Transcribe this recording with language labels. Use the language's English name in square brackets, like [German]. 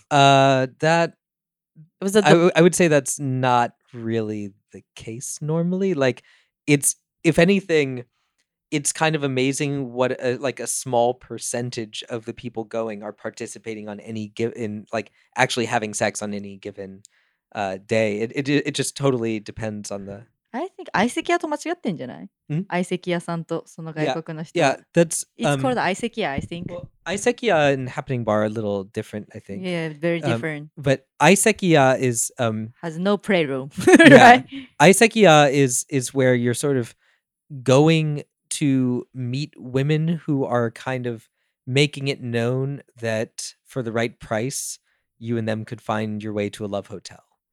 [English] I would say that's not really the case normally. Like, it's, if anything, it's kind of amazing what a small percentage of the people going are participating on any given, like actually having sex on any given day. It just totally depends on the... I think [Japanese] 相席屋と間違ってんじゃない？相席屋さんとその外国の人。 [English] Yeah, that's called 相席屋, I think. Well, 相席屋 and happening bar are a little different, I think. Yeah, very different. But 相席屋 is has no playroom, right? 相席屋 is where you're sort of going to meet women who are kind of making it known that for the right price, you and them could find your way to a love hotel.